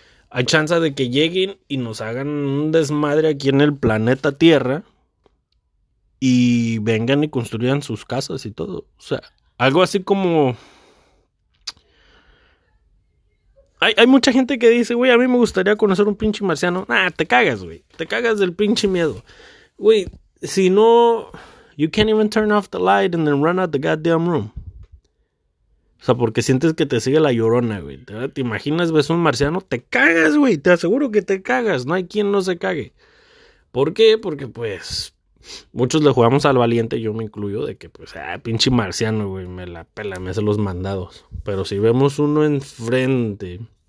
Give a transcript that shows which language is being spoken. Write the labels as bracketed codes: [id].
[es] Hay chance de que lleguen y nos hagan un desmadre aquí en el planeta Tierra y vengan y construyan sus casas y todo. O sea, algo así como... Hay mucha gente que dice, güey, a mí me gustaría conocer un pinche marciano. Nah, te cagas, güey. Te cagas del pinche miedo. Güey, si no... [en] You can't even turn off the light and then run out the goddamn room. [es] O sea, porque sientes que te sigue la llorona, güey. ¿Te imaginas, ves un marciano? Te cagas, güey. Te aseguro que te cagas. No hay quien no se cague. ¿Por qué? Porque, pues, muchos le jugamos al valiente, yo me incluyo, de que, pues, pinche marciano, güey. Me la pela, me hace los mandados. Pero si vemos uno enfrente.